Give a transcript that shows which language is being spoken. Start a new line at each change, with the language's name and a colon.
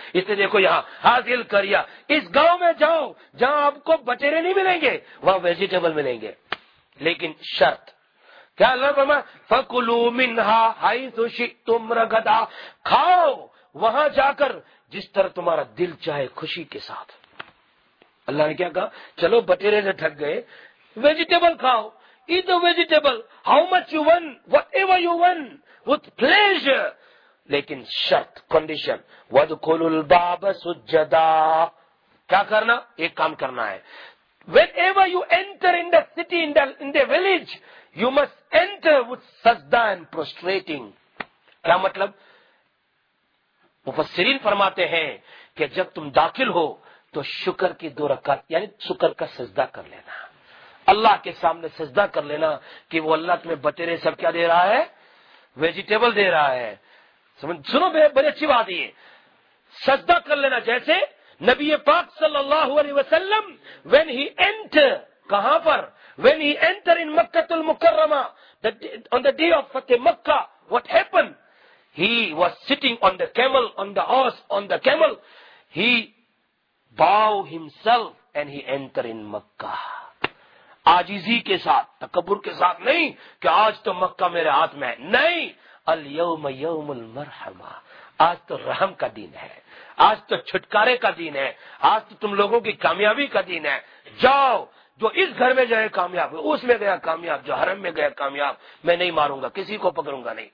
Urdu: اس لیے دیکھو یہاں حاصل کریا, اس گاؤں میں جاؤ جہاں آپ کو بٹیرے نہیں ملیں گے, وہاں ویجیٹیبل ملیں گے, لیکن شرط کیا؟ اللہ فرما
Arabic: فکلو منہا حیث شئتم رغدا,
Urdu: کھاؤ وہاں جا کر جس طرح تمہارا دل چاہے خوشی کے ساتھ. اللہ نے کیا کہا؟ چلو بٹیرے سے تھک گئے, ویجیٹیبل کھاؤ.
English: Eat the vegetable, how much you want, whatever you want, with pleasure.
Urdu: Lekin shart,
Arabic: condition. وَدْخُلُوا الْبَابَ سُجَّدًا.
Urdu: کیا کرنا؟ ایک کام کرنا ہے.
English: Whenever you enter in the city, in the village, you must enter with sajda and prostrating.
Urdu: کیا مطلب؟ مفسرین فرماتے ہیں کہ جب تم داخل ہو تو شکر کی دو رکعت, یعنی شکر کا سجدہ کر لینا, اللہ کے سامنے سجدہ کر لینا کہ وہ اللہ تمہیں بٹیرے سب کیا دے رہا ہے؟ ویجیٹیبل دے رہا ہے. سنو بڑی اچھی بات یہ, سجدہ کر لینا. جیسے نبی پاک صلی اللہ علیہ وسلم
English: when he enter,
Urdu: کہاں پر؟
English: when he enter in Mecca المکرمہ, on the day of فتح Mecca, what happened? He was sitting on the camel, on the horse, on the camel, he bow himself and he enter in Mecca.
Urdu: عاجزی کے ساتھ, تکبر کے ساتھ نہیں کہ آج تو مکہ میرے ہاتھ میں ہے, نہیں.
Arabic: الیوم یوم المرحمہ,
Urdu: آج تو رحم کا دن ہے, آج تو چھٹکارے کا دن ہے, آج تو تم لوگوں کی کامیابی کا دن ہے. جاؤ, جو اس گھر میں جائے کامیاب, اس میں گیا کامیاب, جو حرم میں گیا کامیاب, میں نہیں ماروں گا, کسی کو پکڑوں گا نہیں.